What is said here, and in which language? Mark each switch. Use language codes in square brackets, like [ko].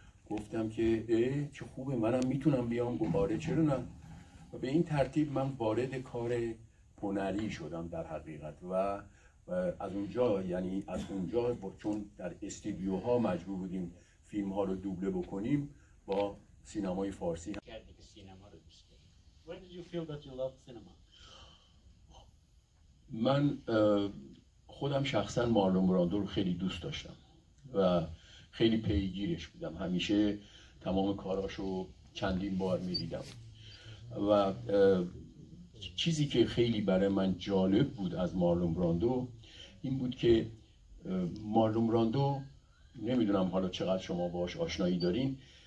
[fa] گفتم که چه خوبه، منم میتونم بیام. گفت آره چرا نه. و به این ترتیب من وارد کار هنری شدم در حقیقت و از اونجا، یعنی از اونجا چون در استودیوها مجبور بودیم فیلم ها رو دوبله بکنیم با سینمای فارسی. [en] When did you feel that you love cinema? [fa] من خودم شخصا مارلون براندو رو خیلی دوست داشتم و خیلی پیگیرش بودم، همیشه تمام کاراشو چندین بار می‌دیدم و چیزی که خیلی برای من جالب بود از مارلون براندو این بود که مارلون براندو، نمیدونم حالا چقدر شما باهاش آشنایی دارین،